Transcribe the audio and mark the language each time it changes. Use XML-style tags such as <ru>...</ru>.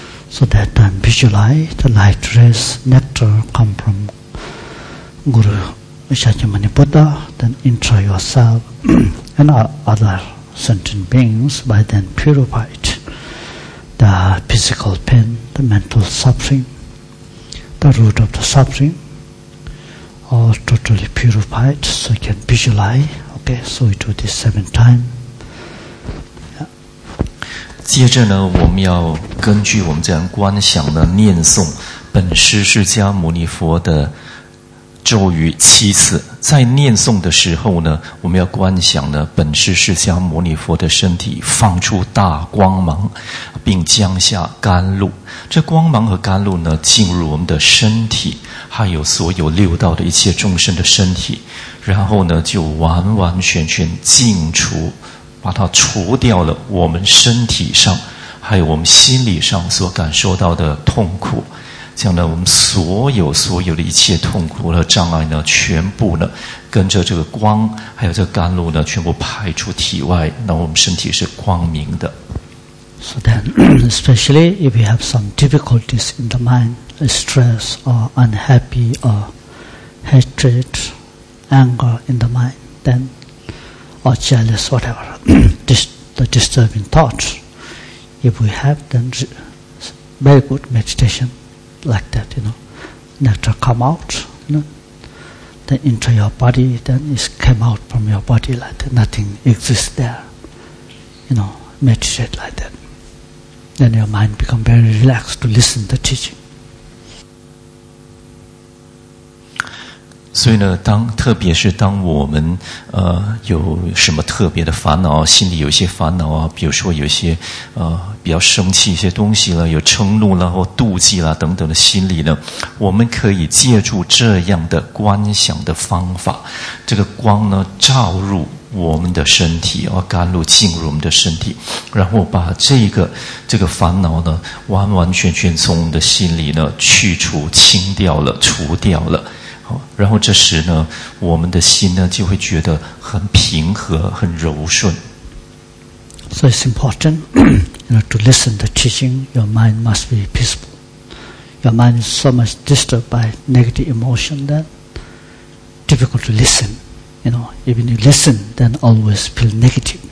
<en>So that time visualize the light rays, nectar come from Guru Shakyamuni Buddha, then enter yourself and other sentient beings by then purified the physical pain, the mental suffering, the root of the suffering, all totally purified, so you can visualize. Okay, so we do this 7 times.</en> <zh>接着呢，我们要根据我们这样观想的念诵本师释迦牟尼佛的咒语7次。在念诵的时候呢，我们要观想呢本师释迦牟尼佛的身体放出大光芒，并降下甘露。这光芒和甘露呢进入我们的身体，还有所有六道的一切众生的身体，然后呢就完完全全净除，把它除掉了我们身体上还有我们心理上所感受到的痛苦，这样呢我们所有的一切痛苦和障碍呢全部呢跟着这个光还有这个甘露呢全部排出体外，那我们身体是光明的。</zh> <en>So then especially if you have some difficulties in the mind, stress or unhappy or hatred, anger in the mind, thenor jealous, whatever, the disturbing thoughts. If we have, then very good meditation like that, you know. Nectar come out, you know, then into your body, then it came out from your body like that. Nothing exists there, you know, meditate like that. Then your mind becomes very relaxed to listen to the teaching.</en> <zh>所以呢，当特别是当我们有什么特别的烦恼，心里有些烦恼啊，比如说有些比较生气一些东西了，有嗔怒了或妒忌了等等的心理呢，我们可以借助这样的观想的方法，这个光呢照入我们的身体，而甘露进入我们的身体，然后把这个烦恼呢完完全全从我们的心里呢去除清掉了除掉了。然后这时呢，我们的心呢就会觉得很平和、很柔顺。</zh> <en>So it's important, you know, to listen to teaching. Your mind must be peaceful. Your mind is so much disturbed by negative emotion that difficult to listen. You know, even you listen, then always feel negative.</en>